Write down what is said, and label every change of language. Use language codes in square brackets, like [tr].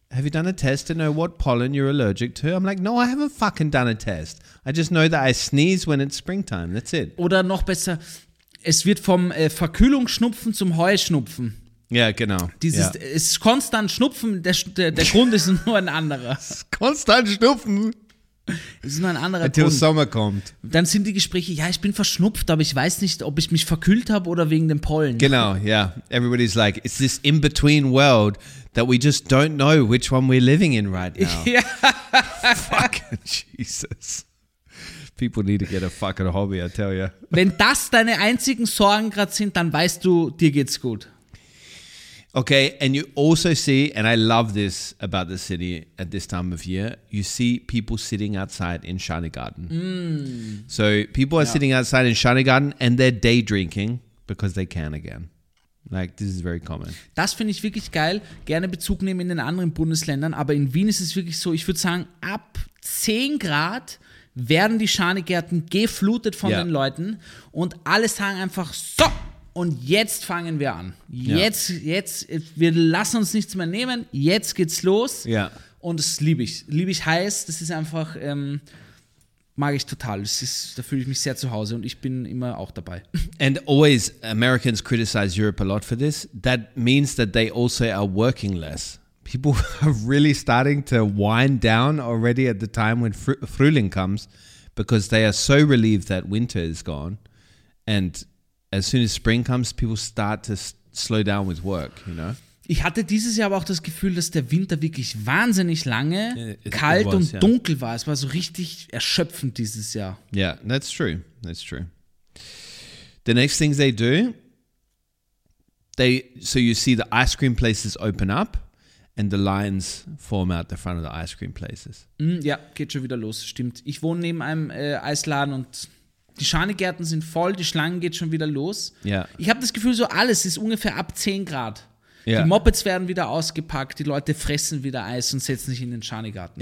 [en] Have you done a test to know what pollen you're allergic to? I'm like, no, I haven't fucking done a test. I just know that I sneeze when it's springtime. That's it. [de] Oder noch besser, es wird vom Verkühlungsschnupfen zum Heuschnupfen. Ja, [en] yeah, [de] genau. Dieses, [en] yeah. [de] Es ist konstant Schnupfen, der Grund ist nur ein anderer. Konstant Schnupfen? Es ist nur ein anderer [en] Until [de] Grund. [en] Until [de] Sommer kommt. Dann sind die Gespräche, ja, ich bin verschnupft, aber ich weiß nicht, ob ich mich verkühlt habe oder wegen dem Pollen. Genau, ja. [en] Yeah. Everybody's like, it's this in-between world that we just don't know which one we're living in right now. Yeah. Fucking Jesus. People need to get a fucking hobby, I tell you. [de] Wenn das deine einzigen Sorgen gerade sind, dann weißt du, dir geht's gut. [en] Okay, and you also see, and I love this about the city at this time of year, you see people sitting outside in Schanigarten. Mm. So people are sitting outside in Schanigarten and they're day drinking because they can again. Like, this is very common. [de] Das finde ich wirklich geil. Gerne Bezug nehmen in den anderen Bundesländern, aber in Wien ist es wirklich so, ich würde sagen, ab 10 Grad werden die Schanigärten geflutet von den Leuten und alle sagen einfach so. Und jetzt fangen wir an. Jetzt, wir lassen uns nichts mehr nehmen. Jetzt geht's los. Ja. Und das liebe ich. Liebe ich heiß. Das ist einfach, mag ich total. Da fühle ich mich sehr zu Hause und ich bin immer auch dabei. [en] And always Americans criticize Europe a lot for this. That means that they also are working less. People are really starting to wind down already at the time when Frühling comes, because they are so relieved that winter is gone. And as soon as spring comes, people start to slow down with work, you know? [de] Ich hatte dieses Jahr aber auch das Gefühl, dass der Winter wirklich wahnsinnig lange, kalt und dunkel war. Es war so richtig erschöpfend dieses Jahr. [en] Yeah, that's true. That's true. The next thing they do, so you see the ice cream places open up and the lines form out the front of the ice cream places. [de] Ja, geht schon wieder los, stimmt. Ich wohne neben einem Eisladen und die Schanigärten sind voll, die Schlange geht schon wieder los. [en] Yeah. [de] Ich habe das Gefühl, so alles ist ungefähr ab 10 Grad. [en] Yeah. [de] Die Mopeds werden wieder ausgepackt, die Leute fressen wieder Eis und setzen sich in den Schanigarten.